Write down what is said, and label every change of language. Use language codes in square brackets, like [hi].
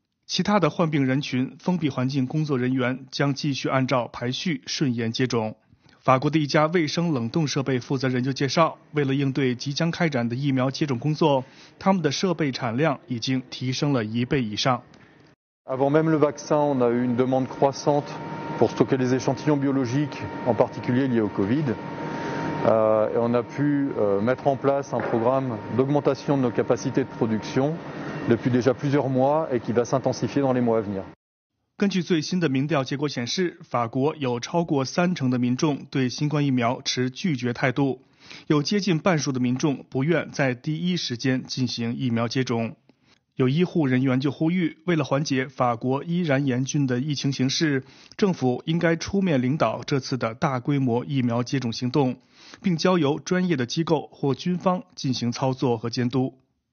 [zh] 其他的患病人群、封闭环境工作人员将继续按照排序顺延接种。法国的一家卫生冷冻设备负责人就介绍，为了应对即将开展的疫苗接种工作，他们的设备产量已经提升了1倍以上。 [fr] Avant même le vaccin, on a eu une demande croissante pour stocker les échantillons biologiques, en particulier liés au Covid. Et on a pu mettre en place un programme d'augmentation de nos capacités de production depuis déjà plusieurs mois et qui va s'intensifier dans les mois à venir. [zh] 根据最新的民调结果显示，法国有超过30%的民众对新冠疫苗持拒绝态度，有接近半数的民众不愿在第一时间进行疫苗接种。有医护人员就呼吁，为了缓解法国依然严峻的疫情形势，政府应该出面领导这次的大规模疫苗接种行动，并交由专业的机构或军方进行操作和监督。